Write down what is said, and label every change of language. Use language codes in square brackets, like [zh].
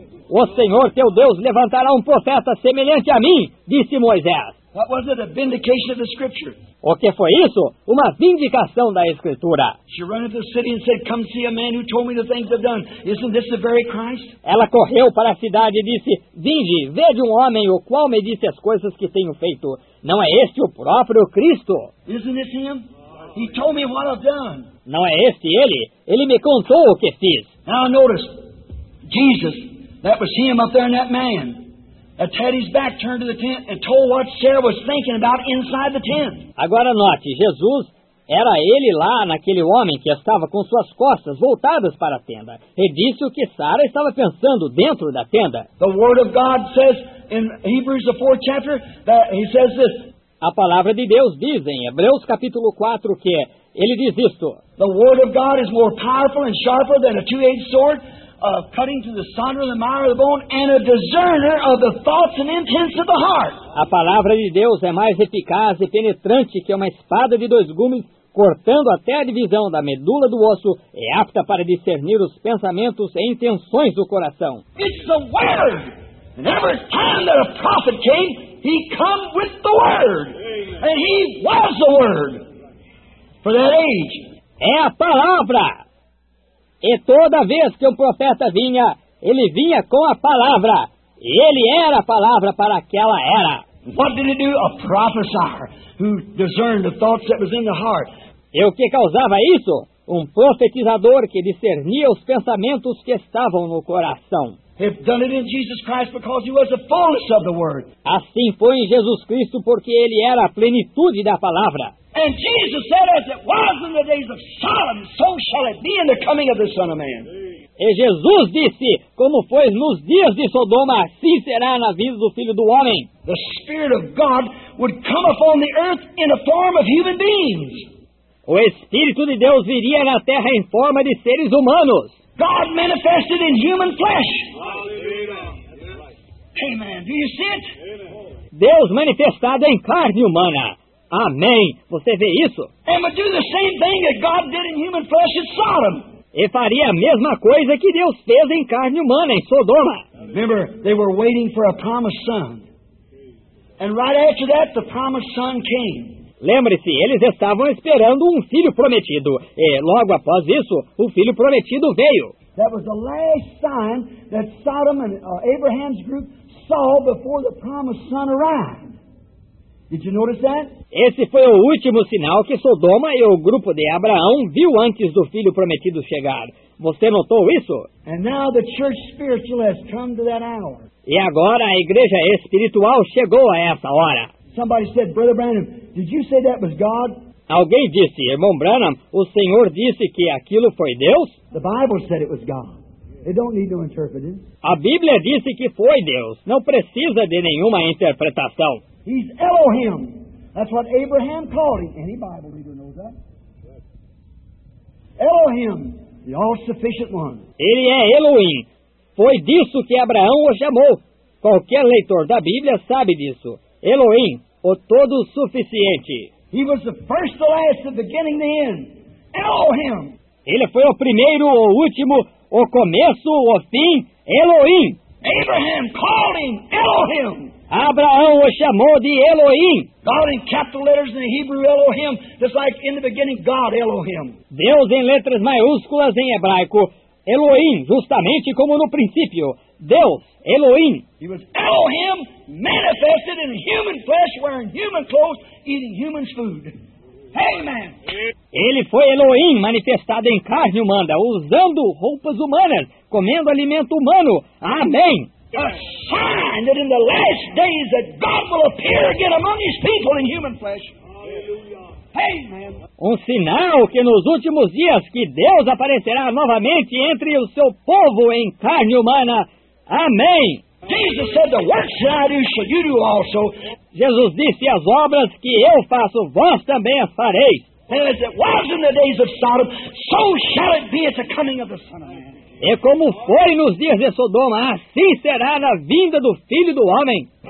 [pt] O Senhor teu Deus levantará um profeta semelhante a mim, disse Moisés. [en] What was it, a vindication of the scripture? [pt] O que foi isso? Uma vindicação da Escritura. [en] She ran into the city and said, come see a man who told me the things I've done. Isn't this the very Christ? [pt] Ela correu para a cidade e disse, vinde, veja um homem o qual me disse as coisas que tenho feito. Não é este o próprio Cristo? [en] Isn't this him? He told me what I've done. [pt] Não é este ele? Ele me contou o que fiz. [en] Now notice, Jesus, that was him up there in that man, that had his back turned to the tent and told what Sarah was thinking about inside the tent. [pt] Agora note, Jesus era ele lá naquele homem que estava com suas costas voltadas para a tenda. E disse o que Sara estava pensando dentro da tenda. [en] The word of God says in Hebrews the 4th chapter that he says this. [pt] A palavra de Deus diz em Hebreus capítulo 4 que ele diz isto. [en] The word of God is more powerful and sharper than a two-edged sword, cutting to the center of the marrow of the bone and a discerner of the thoughts and intents of the heart. [pt] A palavra de Deus é mais eficaz e penetrante que uma espada de dois gumes, cortando até a divisão da medula do osso, é apta para discernir os pensamentos e intenções do coração. [en] It's the word. And every time that a prophet came, he come with the word. And he was the word for that age. [pt] É a palavra. E toda vez que um profeta vinha, ele vinha com a palavra. E ele era a palavra para aquela era. [en] What did he do? A professor who discerned the thoughts that was in the heart. [pt] E o que causava isso? Um profetizador que discernia os pensamentos que estavam no coração. [en] He'd done it in Jesus Christ because he was the fullness of the word. [pt] Assim foi em Jesus Cristo porque ele era a plenitude da palavra. [en] And Jesus said, as it was in the days of Sodom, so shall it be in the coming of the Son of Man. [pt] E Jesus disse, como foi nos dias de Sodoma, assim será na vida do Filho do Homem. [en] The Spirit of God would come upon the earth in the form of human beings. [pt] O Espírito de Deus viria na terra em forma de seres humanos. [en] God manifested in human flesh. Hallelujah. Amen. Do you see it? [pt] Deus manifestado em carne humana. Amém. Você vê isso? [en] And would do the same thing that God did in human flesh in Sodom. [pt] E faria a mesma coisa que Deus fez em carne humana em Sodoma. [en] Remember, they were waiting for a promised son. And right after that, the promised son came. [pt] Lembre-se, eles estavam esperando um filho prometido. E logo após isso, o filho prometido veio. [en] That was the last sign that Sodom and Abraham's group saw before the promised son arrived. Did you notice that? [pt] Esse foi o último sinal que Sodoma e o grupo de Abraão viu antes do filho prometido chegar. Você notou isso? [en] And now the church spiritual has come to that hour. [pt] E agora a igreja espiritual chegou a essa hora. [en] Somebody said, Brother Branham, did you say that was God? [pt] Alguém disse, irmão Branham, o Senhor disse que aquilo foi Deus? [en] The Bible said it was God. They don't need no interpreting. [pt] A Bíblia disse que foi Deus. Não precisa de nenhuma interpretação. [en] He's Elohim. That's what Abraham called him. Any Bible reader knows that. Elohim, the all-sufficient one. [pt] Ele é Elohim. Foi disso que Abraão o chamou. Qualquer leitor da Bíblia sabe disso. Elohim, o todo-suficiente. [en] He was the first, the last, the beginning, the end. Elohim. [pt] Ele foi o primeiro, o último, o começo, o fim. Elohim. [en] Abraham called him Elohim. [pt] Abraão o chamou de Elohim. [en] God in capital letters in Hebrew, Elohim, just like in the beginning, God, Elohim. [pt] Deus em letras maiúsculas em hebraico, Elohim, justamente como no princípio, Deus, Elohim. [en] He was Elohim manifested in human flesh, wearing human clothes, eating human food. Amen. [pt] Ele foi Elohim manifestado em carne humana, usando roupas humanas, comendo alimento humano. Amém. [en] A sign that in the last days that God will appear again among his people in human flesh. Amen. [pt] Um sinal que nos últimos dias que Deus aparecerá novamente entre o seu povo em carne humana. Amém. [en] Jesus said, the works that I do, shall you do also. [pt] Jesus disse, as obras que eu faço, vós também as fareis. [en] And as it was in the days of Sodom, so shall it be at the coming of the Son of Man. [pt] E como foi nos dias de Sodoma, assim será na vinda do Filho do Homem.